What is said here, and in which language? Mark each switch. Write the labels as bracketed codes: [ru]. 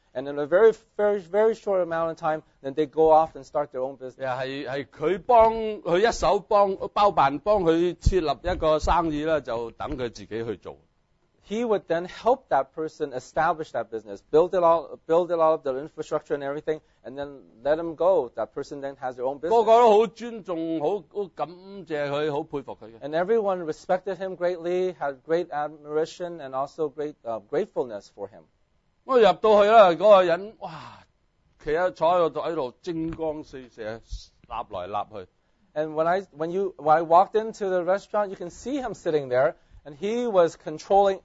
[en] And in a very, very, very short amount of time, then they go off and start their own business. [yue] 係佢幫佢一手幫包辦幫佢設立一個生意咧，就等佢自己去做。 [en] He would then help that person establish that business, build it all up, the infrastructure and everything, and then let him go. That person then has their own business. [yue] 個個都好尊重，好感謝佢，好佩服佢。 [en] And everyone respected him greatly, had great admiration and also great gratefulness for him. [yue] 我入到去啦，嗰个人哇，坐喺度，精光四射，立来立去。 [en] And when I walked into the restaurant, you can see him sitting there, and he was controlling.